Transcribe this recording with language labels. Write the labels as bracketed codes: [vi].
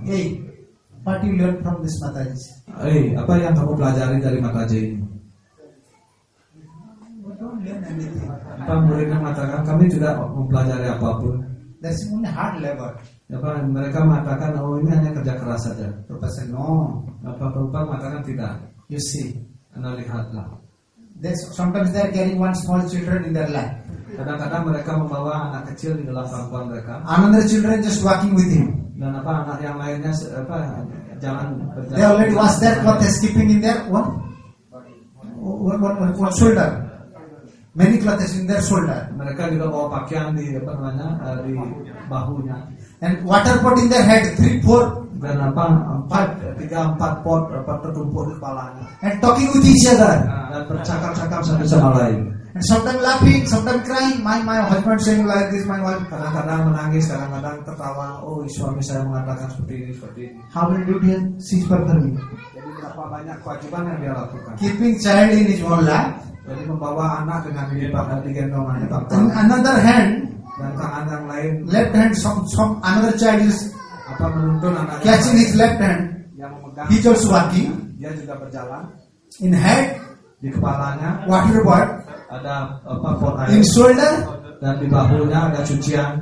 [en] Hey, what you learn from this Mataji? [id] Hey, apa yang kamu pelajari dari Mataji ini? [en] We don't learn anything. [id] Apa muridnya mengatakan kami tidak mempelajari apapun. [en] That's only hard labor. [id] Apa mereka mengatakan, oh ini hanya kerja keras saja. [en] Prabhupada said no. [id] Apa Prabhupada mengatakan tidak. [en] You see, [id] anda lihatlah. [en] That's sometimes they are carrying one small children in their lap. [id] Kadang-kadang mereka membawa anak kecil di dalam pangkuan mereka. [en] Another children just walking with him. [id] Dan apa anak yang lainnya apa jalan berjalan. [en] They already was there, what they skipping in there? What? One shoulder. many clothes in their shoulder. [id] Mereka juga bawa pakaian di apa namanya di bahunya. [en] And water pot in their head, 3-4. [id] Dan apa? 3-4 pot apa tertumpuk di kepalanya. [en] And talking with each other. [id] Dan bercakap-cakap satu sama lain. [en] And sometimes laughing, sometimes crying. My husband saying like this, my wife. [id] Kadang-kadang menangis, kadang-kadang tertawa. Oh, suami saya mengatakan seperti ini. [en] How many duties she's performing? [id] Jadi berapa banyak kewajiban yang dia lakukan? [en] Keeping child in his own lap. [id] Jadi membawa anak dengan ini pada digendongannya. [en] And another hand. [id] Dan tangan yang lain. [en] Left hand some another child is [id] apa menuntun anak. [en] Catching his left hand. [id] Yang memegang. [en] He's also walking. [id] Dia juga berjalan. [en] In head. [id] Di kepalanya. [en] Water pot. [id] Ada apa pot air. [en] In shoulder. [id] Dan di bahunya ada cucian.